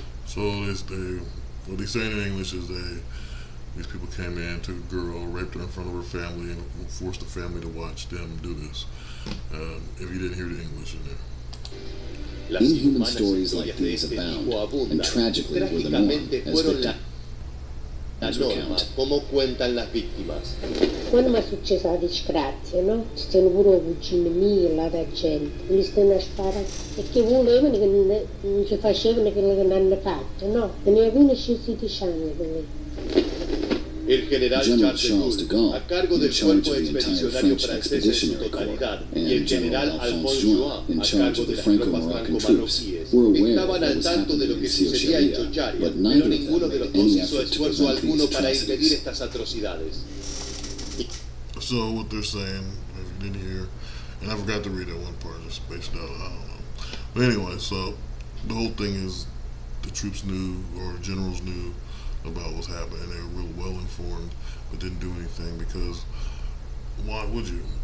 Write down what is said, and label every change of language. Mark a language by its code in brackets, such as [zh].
[en] So what he's saying in English is these people came in, took a girl, raped her in front of her family, and forced the family to watch them do this. If you didn't hear the English in there. Inhuman stories like these abound, and tragically were the norm, as [es] la norma, come cuentan las víctimas. [it] Quando mi è successa la disgrazia, no? C'erano pure i cugini miei, la gente, mi stanno a sparare. E che volevano che non ci facevano quello che mi hanno fatto, no? Ne avevano 16 anni, quelli. [es] El general Charles de Gaulle, a cargo del cuerpo expedicionario francés en su totalidad, y el general Alphonse Juin, a cargo de las tropas franco-marroquíes, estaban al tanto de lo que sucedía en Chocharia, pero ninguno de los dos hizo esfuerzo alguno para impedir estas atrocidades. [en] So what they're saying, I didn't hear, and I forgot to read that one part, just spaced out, I don't know. But anyway, so the whole thing is the troops knew, or generals knew, about what's happening. They were real well informed, but didn't do anything, because why would you?